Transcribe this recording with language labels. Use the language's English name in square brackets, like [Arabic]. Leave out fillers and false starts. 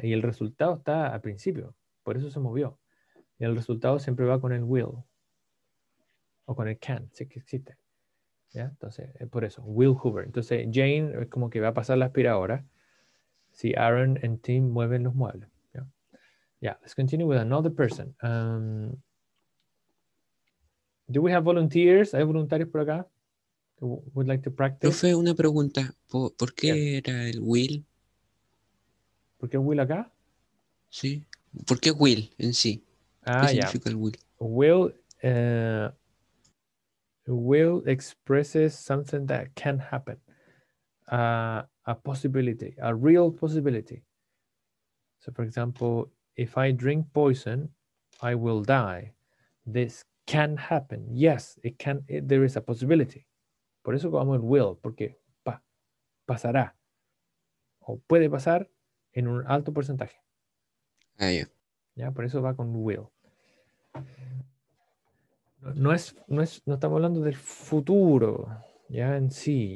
[Spanish] Y el resultado está al principio. Por eso se movió. Y el resultado siempre va con el will. O con el can, si existe. ¿Ya? Entonces, por eso. Will Hoover. Entonces, Jane es como que va a pasar la aspiradora si Aaron and Tim mueven los muebles. [English] Yeah, let's continue with another person. Do we have volunteers? [Spanish] ¿Hay voluntarios por acá? [English] Would like to practice? [Spanish] Profe, una pregunta. ¿Por qué yeah. era el Will? ¿Por qué Will acá? Sí. ¿Por qué Will en sí? Ah, ¿qué [English] yeah. [Spanish] significa el Will? [English] Will, will expresses something that can happen. A possibility. A real possibility. So, for example, if I drink poison, I will die. This can happen. Yes, it can. There is a possibility. [Spanish] Por eso como el will, porque pasará. O puede pasar en un alto porcentaje. Ah, yeah. Ya, por eso va con will. No estamos hablando del futuro, ya en sí.